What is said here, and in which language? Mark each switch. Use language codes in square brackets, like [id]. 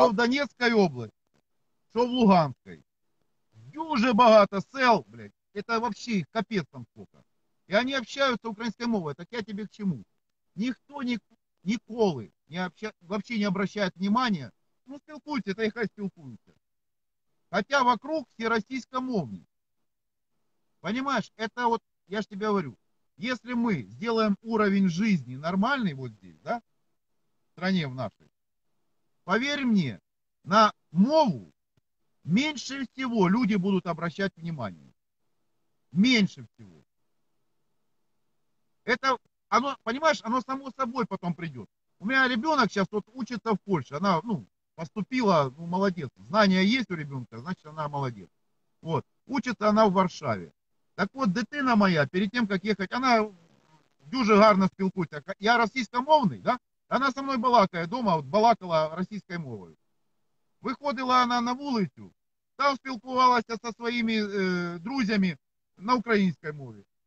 [uk] Що в Донецькій області, що в Луганській. Дуже багато сел, блядь, це взагалі капець там сколько. І вони спілкуються українською мовою. Так я тебе к чому? Ніхто ніколи взагалі не обращає внимання. Ну спілкуються, та нехай спілкуються. Хоча вокруг всі російськомовні. [ru] Понимаешь, это вот, я ж тебе говорю, если мы сделаем уровень жизни нормальный вот здесь, да, в стране в нашей, поверь мне, на мову меньше всего люди будут обращать внимание. Меньше всего. Это, оно, понимаешь, оно само собой потом придет. У меня ребенок сейчас вот учится в Польше, она, ну, поступила, ну, молодец. Знания есть у ребенка, значит, она молодец. Вот, учится она в Варшаве. Так вот, дитина моя, перед тем, как ехать, она [uk] дуже гарно спілкується. [ru] Я російськомовний, да? Она со мной балакает дома, вот, балакала російською мовою. Виходила она на вулицю, там спілкувалася со своими друзями на українській мові.